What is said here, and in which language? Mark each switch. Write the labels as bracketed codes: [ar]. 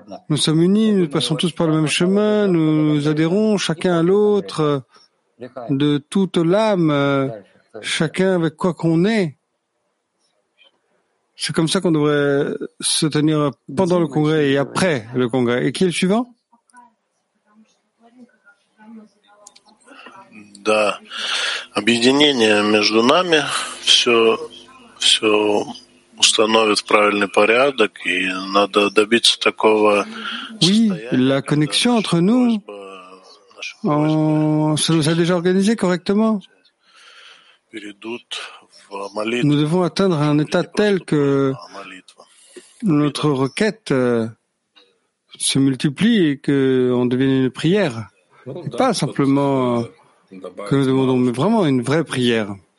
[fr] Nous sommes unis, nous passons tous par le même chemin, nous adhérons chacun à l'autre de toute l'âme, chacun avec quoi qu'on est. C'est comme ça qu'on devrait se tenir pendant le congrès et après le congrès. Et qui est le suivant? [ru] Да, объединение между нами все установит в правильный порядок, и надо добиться такого oui, состояния. [fr] La connexion entre nous, ça nous a déjà organisé correctement. Nous devons atteindre un état tel que notre requête se multiplie et qu'on devienne une prière, et pas simplement que nous demandons, mais vraiment une vraie prière.